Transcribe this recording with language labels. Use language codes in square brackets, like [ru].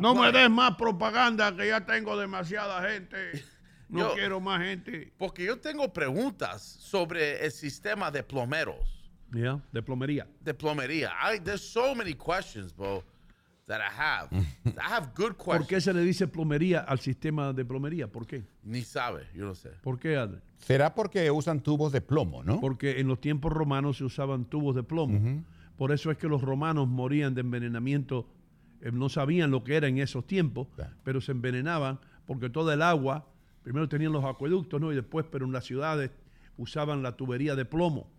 [es] plumbing. No me des más propaganda, que ya tengo demasiada gente. No quiero más gente. Porque yo tengo preguntas sobre el sistema de plomeros. Yeah, de plomería. De plomería. [en] There's so many questions, bro, that I have. I have good questions. [es] ¿Por qué se le dice plomería al sistema de plomería? ¿Por qué? Ni sabe, yo no sé. ¿Por qué, Adri? Será porque usan tubos de plomo, ¿no? Porque en los tiempos romanos se usaban tubos de plomo. Uh-huh. Por eso es que los romanos morían de envenenamiento. No sabían lo que era en esos tiempos, pero se envenenaban porque toda el agua, primero tenían los acueductos, ¿no? Y después, pero en las ciudades, usaban la tubería de plomo.